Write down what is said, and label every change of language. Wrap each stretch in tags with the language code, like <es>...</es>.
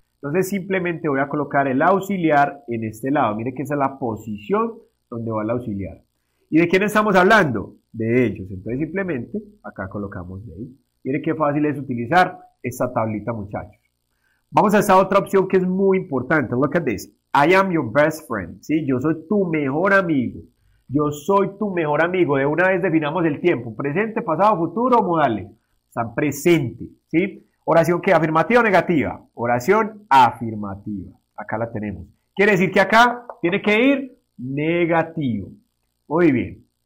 <es>Entonces, simplemente voy a colocar el auxiliar en este lado. Mire que esa es la posición donde va el auxiliar. ¿Y de quién estamos hablando? De ellos. Entonces, simplemente acá colocamos they. Mire qué fácil es utilizar esta tablita, muchachos. Vamos a esa otra opción que es muy importante.</es> <en>Look at this. I am your best friend.</en> <es>¿Sí? Yo soy tu mejor amigo. Yo soy tu mejor amigo. De una vez definamos el tiempo. Presente, pasado, futuro, modales. Están presente, ¿sí? ¿Oración qué? ¿Afirmativa o negativa? Oración afirmativa. Acá la tenemos. Quiere decir que acá tiene que ir negativo. Muy bien.</es>